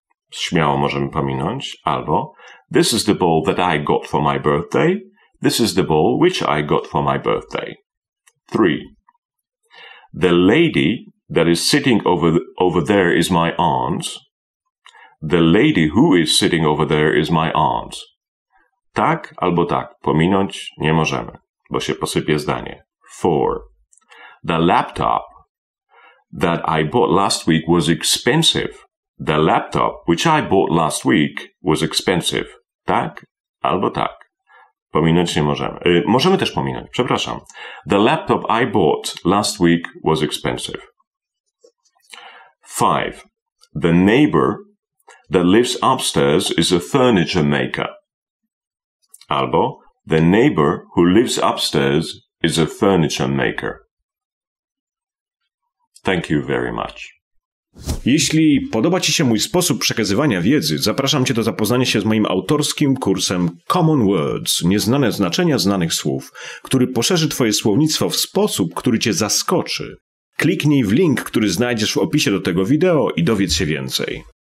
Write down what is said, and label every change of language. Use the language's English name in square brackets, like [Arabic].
[Polish] Śmiało możemy pominąć. Albo [English] this is the ball that I got for my birthday. This is the ball which I got for my birthday. 3. The lady that is sitting over there is my aunt. The lady who is sitting over there is my aunt. [Polish] Tak albo tak. Pominąć nie możemy, bo się posypie zdanie. 4. [English] The laptop that I bought last week was expensive. The laptop which I bought last week was expensive. [Polish] Tak albo tak. Pominąć nie możemy. Możemy też pominąć, przepraszam. [English] The laptop I bought last week was expensive. 5. The neighbor that lives upstairs is a furniture maker. Albo the neighbor who lives upstairs is a furniture maker. Thank you very much. [Polish] Jeśli podoba Ci się mój sposób przekazywania wiedzy, zapraszam Cię do zapoznania się z moim autorskim kursem Common Words, nieznane znaczenia znanych słów, który poszerzy Twoje słownictwo w sposób, który Cię zaskoczy. Kliknij w link, który znajdziesz w opisie do tego wideo i dowiedz się więcej.